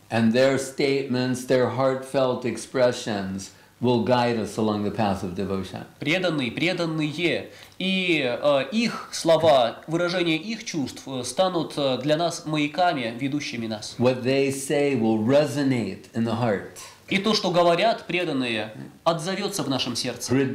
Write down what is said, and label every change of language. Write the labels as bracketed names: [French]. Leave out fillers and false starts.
[English] And their statements, their heartfelt expressions will guide us along the path of devotion. [Russian] Преданные, и их слова, выражение их чувств станут для нас маяками, ведущими нас. [English] What they say will resonate in the heart. [Russian] И то, что говорят преданные, отзовется в нашем сердце.